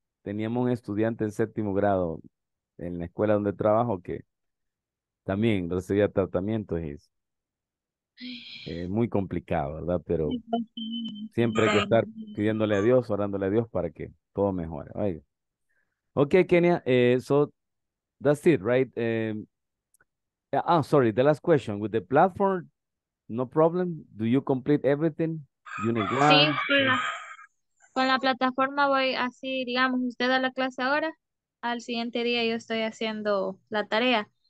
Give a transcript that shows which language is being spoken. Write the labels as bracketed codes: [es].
[es] Teníamos un estudiante en séptimo grado en la escuela donde trabajo que también recibía tratamiento. Es muy complicado, ¿verdad? Pero siempre hay que estar pidiéndole a Dios, orándole a Dios para que todo mejore. [en] Ay. Ok, Kenya, so that's it, right? The last question. With the platform, no problem. Do you complete everything? Unit 1. [es] Sí, con la plataforma voy así, digamos, usted da la clase ahora, al siguiente día yo estoy haciendo la tarea.